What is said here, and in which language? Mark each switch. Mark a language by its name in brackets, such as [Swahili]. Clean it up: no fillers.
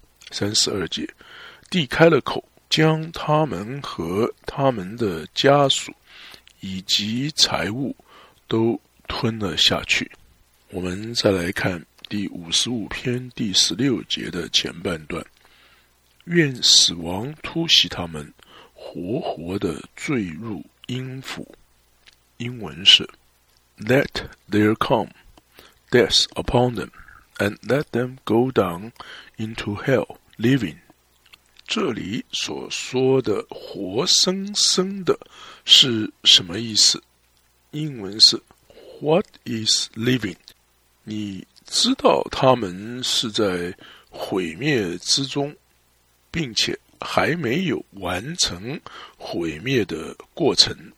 [Chinese] 32节，地开了口，将他们和他们的家属以及财物都吞了下去。我们再来看第55篇第16节的前半段，愿死亡突袭他们，活活地坠入阴府。英文是 [English] Let there come death upon them, and let them go down into hell living. [Chinese] 这里所说的活生生的是什么意思？英文是 [English] What is living? [Chinese] 你知道他们是在毁灭之中，并且还没有完成毁灭的过程。